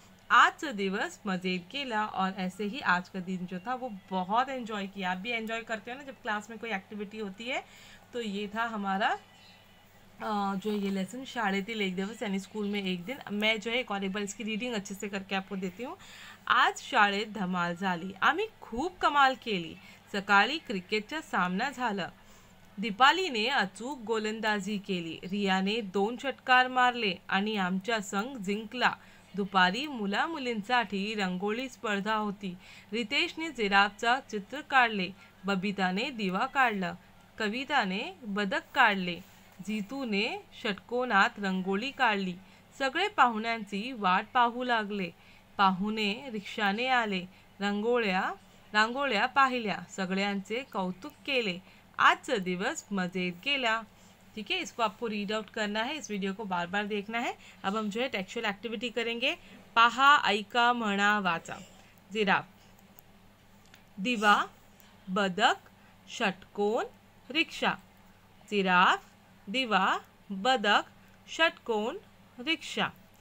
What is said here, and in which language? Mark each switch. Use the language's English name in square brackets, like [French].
[Marathi] आज दिवस मजे केला, [Hindi] और ऐसे ही आज का दिन जो था वो बहुत एंजॉय किया। आप भी एंजॉय करते हो ना जब क्लास में कोई एक्टिविटी होती है। तो ये था हमारा जो ये लेसन [Marathi] शाळेतील एक दिवस [Hindi] यानी स्कूल में एक दिन। मैं जो है एक और एक बार इसकी रीडिंग अच्छे से करके आपको देती हूँ। [Marathi] आज शाळेत धमाल झाली, आम्ही खूप कमाल केली। सकाळी क्रिकेटचा सामना झाला, दीपाली ने अचूक गोलंदाजी केली। रिया ने दोन षटकार मारले आणि आमचा संघ जिंकला। दुपारी मुला मुलींसाठी रंगोळी स्पर्धा होती। रितेश ने जिराफचा चित्र काढले, बबीता ने दिवा काढला, कविता ने बदक काढले, जीतू ने षटकोनात रंगोळी काढली। सगळे पाहुण्यांची वाट पाहू लागले, पाहुणे रिक्षाने आले, रांगोळ्या पाहिल्या, सगळ्यांचे कौतुक केले, आजचा दिवस मजेत गेला। [Hindi] ठीक है, इसको आपको रीड आउट करना है, इस वीडियो को बार बार देखना है। अब हम जो है टेक्सुअल एक्टिविटी करेंगे। [Marathi] पाहा ऐका म्हणा वाचा। जिराफ, दिवा, बदक, षटकोन, रिक्षा। जिराफ, दिवा, बदक, षटकोन, रिक्षा।